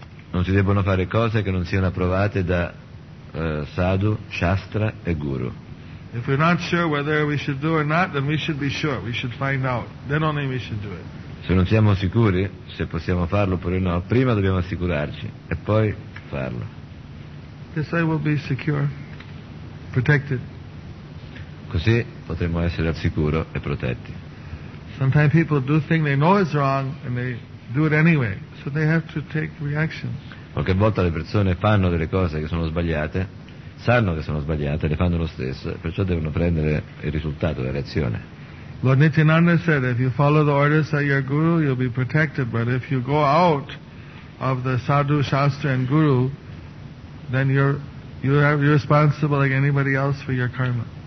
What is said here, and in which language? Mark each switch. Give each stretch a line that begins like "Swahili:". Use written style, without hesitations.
Italian: Non si devono fare cose che non siano approvate da Sadhu, Shastra e Guru.
English: If we're not sure whether we should do or not, then we should be sure, we should find out, then only we should do it.
Italian: Se non siamo sicuri se possiamo farlo oppure no, prima dobbiamo assicurarci e poi farlo.
English: This way we'll be secure, protected.
Italian: Così potremo essere al sicuro e protetti.
English: Sometimes people do things they know is wrong and they do it anyway, so they have to take reactions.
Italian: Qualche volta le persone fanno delle cose che sono sbagliate, sanno che sono sbagliate, le fanno lo stesso, perciò devono prendere il risultato, la reazione.
English: Lord Nityananda said, if you follow the orders of your guru, you'll be protected, but if you go out of the sadhu, shastra and guru, then you're responsible like anybody else for your karma.